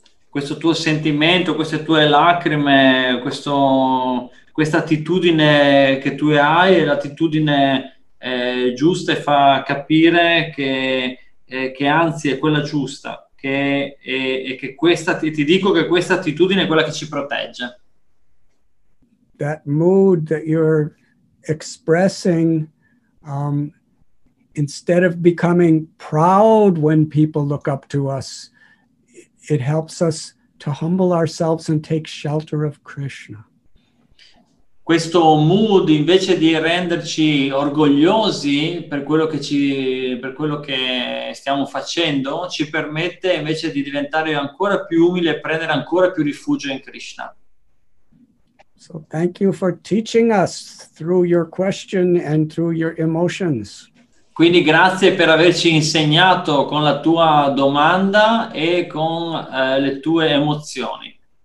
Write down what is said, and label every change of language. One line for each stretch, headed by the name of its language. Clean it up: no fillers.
Italian: Questo tuo sentimento, queste tue lacrime, questa attitudine che tu hai è l'attitudine giusta e fa capire che anzi è quella giusta, che questa attitudine è quella che ci protegge.
English: That mood that you're expressing, instead of becoming proud when people look up to us, it helps us to humble ourselves and take shelter of Krishna.
Italian: Questo mood invece di renderci orgogliosi per quello che stiamo facendo ci permette invece di diventare ancora più umili e prendere ancora più rifugio in Krishna.
English: So thank you for teaching us through your question and through your emotions.
Italian: Quindi grazie per averci insegnato con la tua domanda e con le tue emozioni.